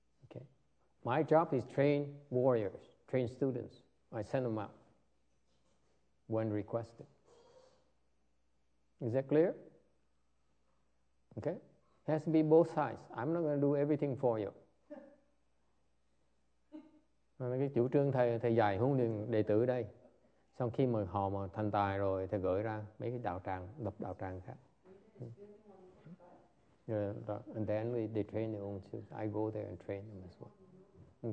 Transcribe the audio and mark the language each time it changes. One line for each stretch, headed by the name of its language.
English: Okay? My job is train warriors, train students. I send them out when requested. Is that clear? Okay? It has to be both sides. I'm not going to do everything for you.
Vietnamese: Cái chủ trương thầy dạy huấn luyện đệ tử đây, xong khi mà họ mà thành tài rồi thầy gửi ra mấy cái đạo tràng, lập đạo tràng khác.
English: Yeah, and then they train their own too. I go there and train them as well.